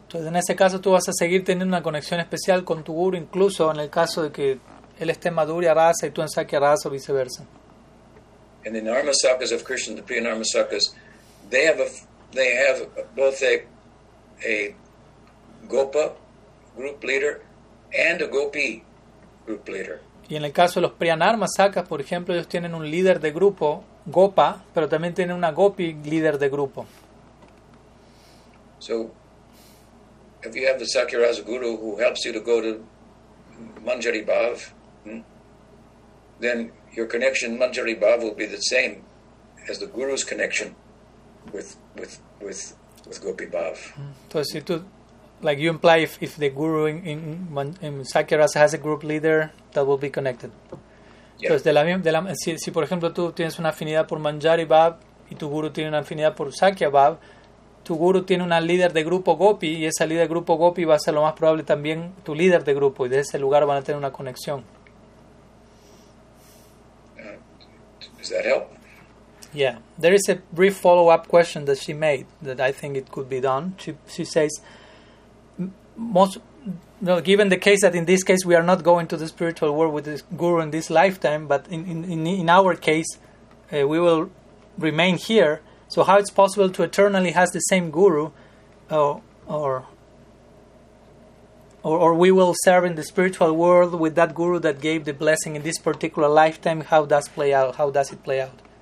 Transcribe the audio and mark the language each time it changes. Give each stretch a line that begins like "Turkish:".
Spanish: Entonces, en ese caso, tú vas a seguir teniendo una conexión especial con tu guru, incluso en el caso de que él esté en Madhurya Rasa y tú en Sakya Rasa o viceversa.
English: And the Narmasakas of Krishna, the Priyanarmasakas, they have both a a Gopa group leader and a Gopi group leader.
Spanish: Y en el caso de los Priyanarmasakas, por ejemplo, ellos tienen un líder de grupo, Gopa, pero también tienen una Gopi líder de grupo.
English: So, if you have the Sakyaraja Guru who helps you to go to Manjari Bhav, then your connection Manjari Bhav will be the same as the Guru's connection with Gopi Bhav.
Spanish: Entonces,
English: like you imply, if the Guru in Sakyaraja has a group leader, that will be connected. Yeah.
Spanish: Entonces, si por ejemplo tú tienes una afinidad por Manjari Bhav y tu Guru tiene una afinidad por Sakya Bhav, tu Guru tiene una líder de grupo Gopi y esa líder de grupo Gopi va a ser lo más probable también tu líder de grupo y de ese lugar van a tener una conexión.
English: Does that help? Yeah. There is a brief follow-up question that she made that I think it could be done. She says, given the case that in this case we are not going to the spiritual world with this Guru in this lifetime, but in our case we will remain here, so how it's possible to eternally has the same Guru or we will serve in the spiritual world with that Guru that gave the blessing in this particular lifetime, how does it play out?